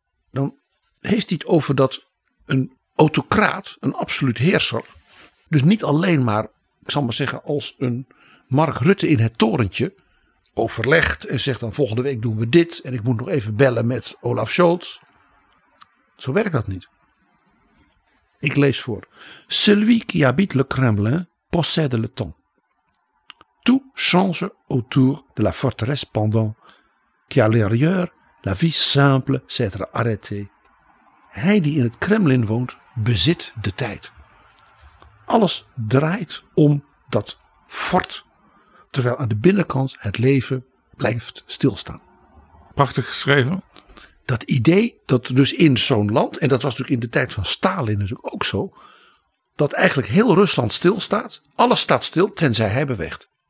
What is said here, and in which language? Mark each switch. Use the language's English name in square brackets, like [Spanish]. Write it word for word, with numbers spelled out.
[Dutch] Dan heeft hij het over dat een autocraat, een absoluut heerser, dus niet alleen maar, ik zal maar zeggen, als een Mark Rutte in het torentje overlegt en zegt dan volgende week doen we dit en ik moet nog even bellen met Olaf Scholz. Zo werkt dat niet. Ik lees voor. [French] Celui qui habite le Kremlin possède le temps. Tout change autour de la forteresse pendant qu'à l'intérieur la vie simple s'est arrêtée. [Dutch] Hij die in het Kremlin woont, bezit de tijd. Alles draait om dat fort, terwijl aan de binnenkant het leven blijft stilstaan. Prachtig geschreven. Dat idee dat dus in zo'n land, en dat was natuurlijk in de tijd van Stalin natuurlijk ook zo, dat eigenlijk heel Rusland stilstaat, alles staat stil tenzij hij beweegt.